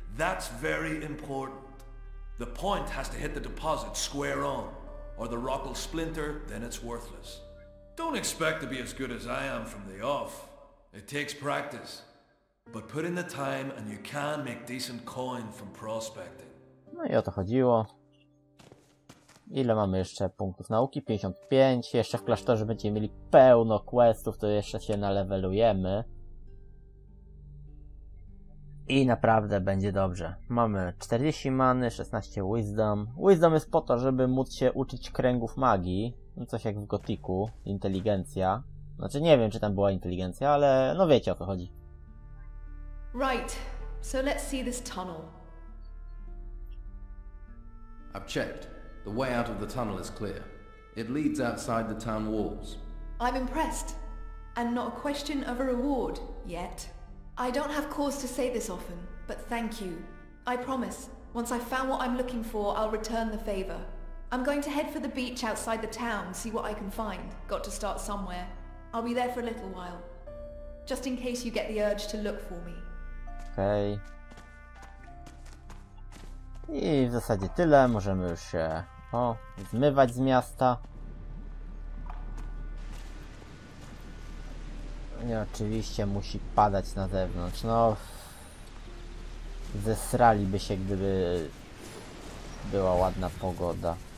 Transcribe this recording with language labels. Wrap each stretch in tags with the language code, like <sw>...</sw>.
<en>That's very important. The point has to hit the deposit square on, or the rock will splinter, then it's worthless. Don't expect to be as good as I am from the off. It takes practice. But put in the time and you can make decent coin from prospecting.</en> <pl>No i o to chodziło. Ile mamy jeszcze punktów nauki? 55. Jeszcze w klasztorze będziemy mieli pełno questów, to jeszcze się nalevelujemy. I naprawdę będzie dobrze. Mamy 40 many, 16 wisdom. Wisdom jest po to, żeby móc się uczyć kręgów magii. No coś jak w gotiku. Inteligencja. Znaczy nie wiem, czy tam była inteligencja, ale no wiecie o co chodzi.</pl> <en>Right. So let's see this tunnel. I've checked. The way out of the tunnel is clear. It leads outside the town walls. I'm impressed. And not a question of a reward yet. I don't have cause to say this often, but thank you. I promise, once I've found what I'm looking for, I'll return the favor. I'm going to head for the beach outside the town, see what I can find. Got to start somewhere. I'll be there for a little while. Just in case you get the urge to look for me. Okej.</en> <pl>I w zasadzie tyle, możemy już się zmywać z miasta. Nie, oczywiście musi padać na zewnątrz, no... Zesraliby się, gdyby była ładna pogoda.</pl>